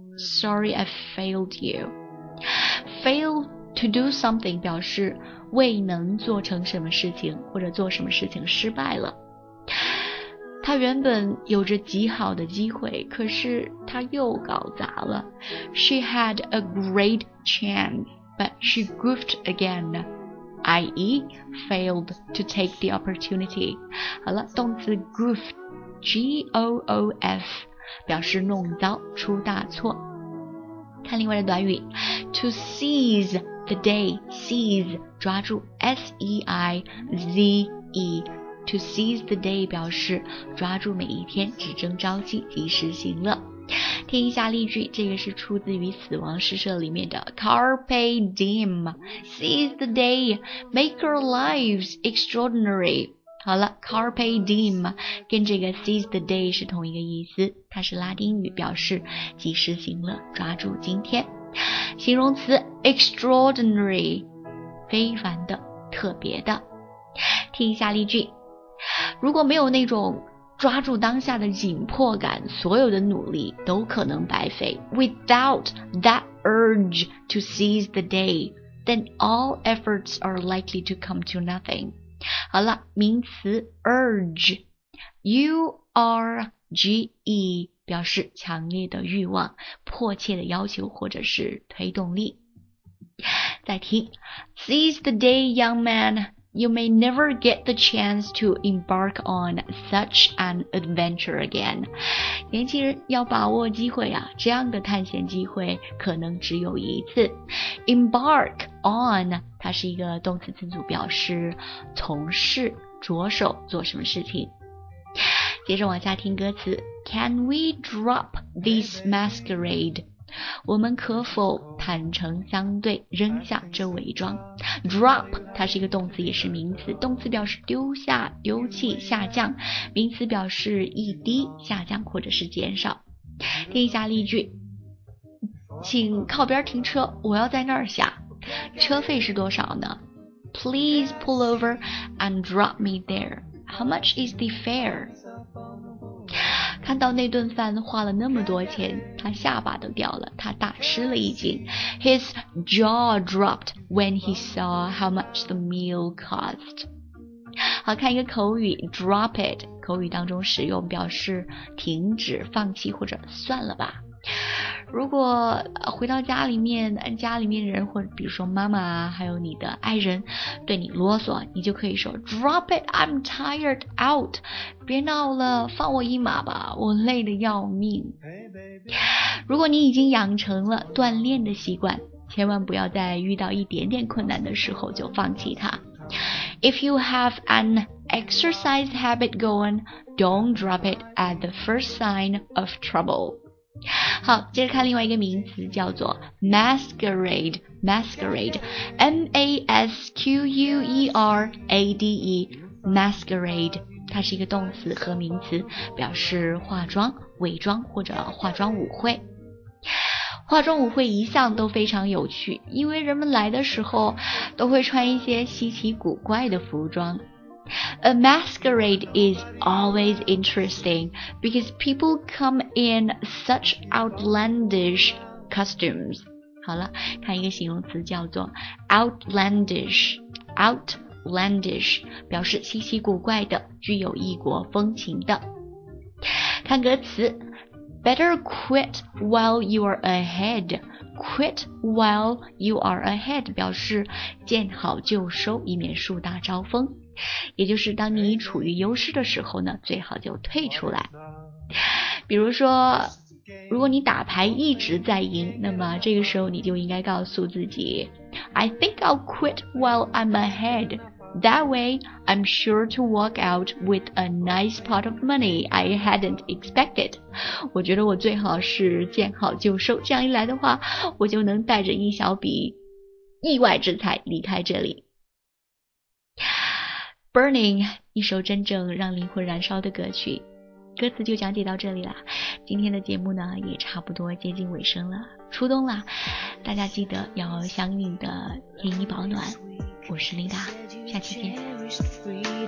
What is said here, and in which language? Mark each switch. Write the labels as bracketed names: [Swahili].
[English] Sorry, I failed you. [Chinese] Fail to do something 表示未能做成什么事情，或者做什么事情失败了。他原本有着极好的机会，可是他又搞砸了。 [English] She had a great chance, but she goofed again. I.e. failed to take the opportunity. [Chinese] 好了，动词 goof, G-O-O-F, 表示弄糟，出大错。看另外的短语， To seize the day， Seize 抓住， S-E-I-Z-E， To seize the day 表示抓住每一天，只争朝夕，及时行乐。听一下例句，这个是出自于死亡诗社里面的 Carpe Diem， Seize the day， [English] Make our lives extraordinary。 [Chinese] 好了， Carpe Diem 跟这个 Seize the day 是同一个意思，它是拉丁语，表示及时行乐，抓住今天。形容词 Extraordinary， 非凡的，特别的。听一下例句，如果没有那种抓住当下的紧迫感，所有的努力都可能白费。 [English] Without that urge to seize the day, then all efforts are likely to come to nothing。 [Chinese] 好了，名词 urge， U-R-G-E 表示强烈的欲望，迫切的要求，或者是推动力。再听， [English] Seize the day, young man. You may never get the chance to embark on such an adventure again. [Chinese] 年轻人要把握机会啊，这样的探险机会可能只有一次。 Embark on，它是一个动词词组，表示从事、着手做什么事情。接着往下听歌词， [English] Can we drop this masquerade? [Chinese] 我们可否坦诚相对，扔下这伪装。 Drop 它是一个动词，也是名词，动词表示丢下、丢弃、下降，名词表示一滴、下降或者是减少。听一下例句，请靠边停车，我要在那儿下，车费是多少呢？ [English] Please pull over and drop me there. How much is the fare? [Chinese] 看到那顿饭花了那么多钱，他下巴都掉了，他大吃了一惊。 [English] His jaw dropped when he saw how much the meal cost. [Chinese] 好，看一个口语， drop it， 口语当中使用，表示停止、放弃或者算了吧。如果回到家里面，家里面人或者比如说妈妈啊，还有你的爱人对你啰嗦，你就可以说 [English] Drop it, I'm tired out. [Chinese] 别闹了，放我一马吧，我累得要命。 [English] Hey, baby. [Chinese] 如果你已经养成了锻炼的习惯，千万不要在遇到一点点困难的时候就放弃它。 [English] If you have an exercise habit going, don't drop it at the first sign of trouble. [Chinese] 好，接着看另外一个名词，叫做 masquerade， masquerade， M-A-S-Q-U-E-R-A-D-E， masquerade， 它是一个动词和名词，表示化妆、伪装或者化妆舞会。化妆舞会一向都非常有趣，因为人们来的时候都会穿一些稀奇古怪的服装。 [English] A masquerade is always interesting because people come in such outlandish costumes. [Chinese] 好了，看一个形容词叫做 outlandish， outlandish 表示稀奇古怪的，具有异国风情的。看歌词， [English] Better quit while you are ahead. [Chinese] Quit while you are ahead 表示见好就收，以免树大招风。也就是当你处于优势的时候呢，最好就退出来。比如说如果你打牌一直在赢，那么这个时候你就应该告诉自己 [English] I think I'll quit while I'm ahead. That way I'm sure to walk out with a nice pot of money I hadn't expected. [Chinese] 我觉得我最好是见好就收，这样一来的话，我就能带着一小笔意外之财离开这里。 Burning, 一首真正让灵魂燃烧的歌曲，歌词就讲解到这里啦。今天的节目呢也差不多接近尾声了，初冬啦，大家记得要想你的添衣保暖。我是琳达，下期见。